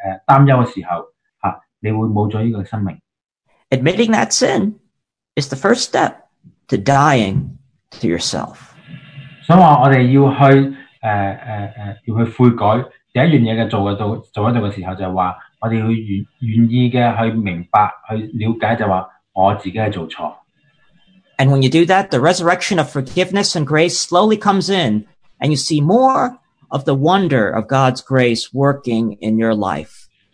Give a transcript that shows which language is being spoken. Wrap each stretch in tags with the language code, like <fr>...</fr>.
<zh>因为若然你将这个生命的重要去颠倒的时候，你当失丧了之后，你的生命就觉得很脆弱，你会很生气，你会觉得完全控制不了，或者你完全觉得是很担忧的时候，你会没有了这个生命。</zh> <en>Admitting that sin is the first step to dying to yourself.</en> <zh>所以我们要去悔改，第一件事做的时候，就是说我们要愿意去明白，去了解，就是说我自己是做错。</zh> <en>And when you do that, the resurrection of forgiveness and grace slowly comes in, and you see more of the wonder of God's grace working in your life.</en>